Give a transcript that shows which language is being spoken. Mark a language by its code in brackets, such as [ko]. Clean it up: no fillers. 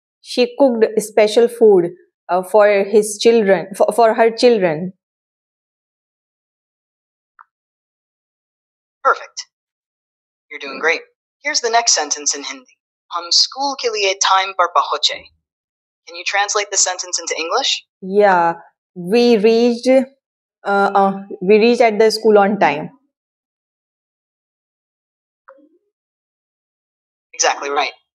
[en] She cooked special food for her children. Perfect. You're doing great. Here's the next sentence in Hindi. [hi] हम school के लिए time पर पहुंचे. [en] Can you translate the sentence into English? Yeah, we reached at the school on time. Exactly right.